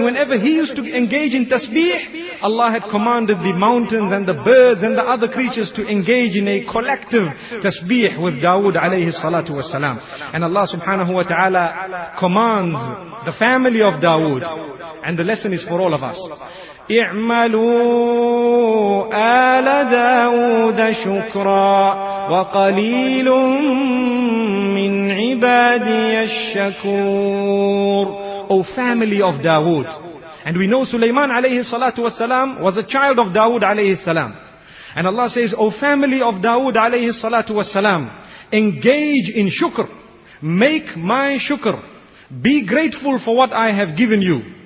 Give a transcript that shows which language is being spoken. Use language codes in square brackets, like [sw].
[en] And whenever he used to engage in tasbih, Allah had commanded the mountains and the birds and the other creatures to engage in a collective tasbih with Dawood alayhi salatu wasalam. And Allah subhanahu wa ta'ala commands the family of Dawood. And the lesson is for all of us. [ar] اعملوا آل داود شكرا وقليل من عبادي الشكور. [en] O family of Dawood. And we know Sulaiman alayhi salatu wasalam was a child of Dawood alayhi salam. And Allah says, O family of Dawood alayhi salatu wasalam, engage in shukr. Make my shukr. Be grateful for what I have given you.